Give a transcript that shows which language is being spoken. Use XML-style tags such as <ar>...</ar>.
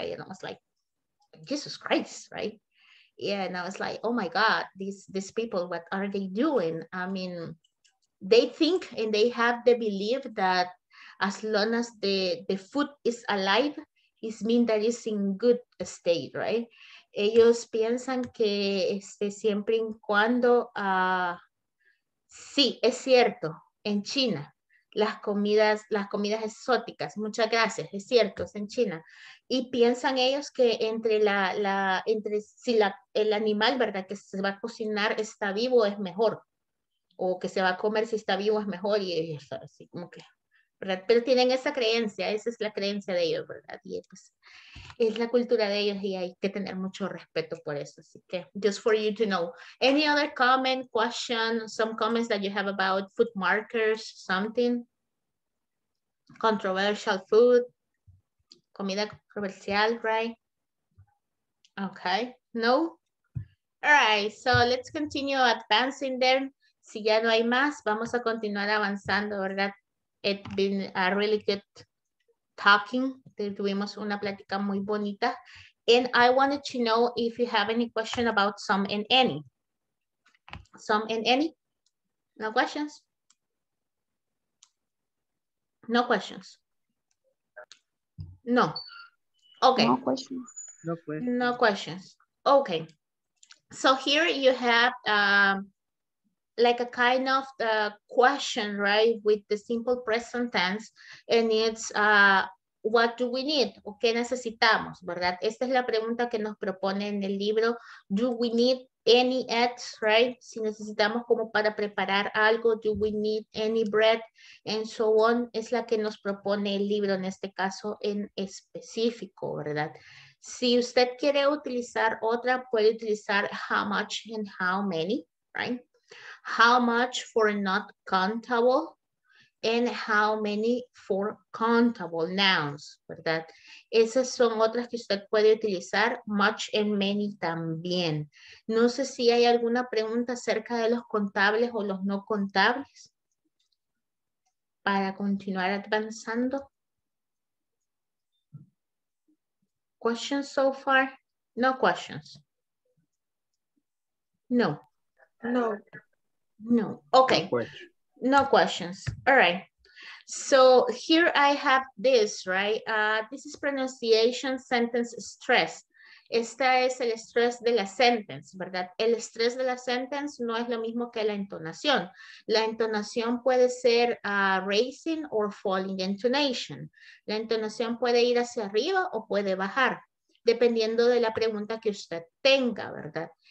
<en>And I was like, Jesus Christ, right? Yeah, and I was like, oh my God, these people, what are they doing? I mean, they think and they have the belief that as long as the food is alive, it means that it's in good state, right?</en> <es>Ellos piensan que siempre y cuando, sí, es cierto, en China, las comidas exóticas, muchas gracias, es cierto, es en China. Y piensan ellos que entre el animal, ¿verdad?, que se va a cocinar está vivo, es mejor. O que se va a comer si está vivo, es mejor. Y ellos, así como que, ¿verdad? Pero tienen esa es la creencia de ellos, ¿verdad? Y pues, es la cultura de ellos y hay que tener mucho respeto por eso. Así que,</es> <en>just for you to know. Any other comment, question, some comments that you have about food markers, something? Controversial food?</en> <es>Comida controversial,</es> <en>right? Okay, no? All right, so let's continue advancing there.</en> <es>Si ya no hay más, vamos a continuar avanzando, ¿verdad?</es> <en>It's been a really good talking.</en> <es>Tuvimos una plática muy bonita.</es> <en>And I wanted to know if you have any question about some and any. Some and any? No questions? No questions? No. Okay. No questions. No questions. Okay. So here you have... like a kind of the question, right, with the simple present tense, and it's what do we need?</en> <es>¿O qué necesitamos, verdad? Esta es la pregunta que nos propone en el libro.</es> <en>Do we need any eggs, right?</en> <es>Si necesitamos como para preparar algo,</es> <en>do we need any bread, and so on,</en> <es>es la que nos propone el libro en este caso en específico, ¿verdad? Si usted quiere utilizar otra, puede utilizar</es> <en>how much and how many, right? How much for not countable and how many for countable nouns,</en> <es>¿verdad? Esas son otras que usted puede utilizar,</es> <en>much and many</en> <es>también. No sé si hay alguna pregunta acerca de los contables o los no contables para continuar avanzando.</es> <en>Questions so far? No questions. No. No. No, okay, no questions. All right, so here I have this, right? This is pronunciation sentence stress.</en> <es>Esta es el estrés de la sentence, ¿verdad? El estrés de la sentence no es lo mismo que la entonación. La entonación puede ser</es> <en>raising or falling intonation.</en> <es>La entonación puede ir hacia arriba o puede bajar, dependiendo de la pregunta que usted tenga, ¿verdad?</es>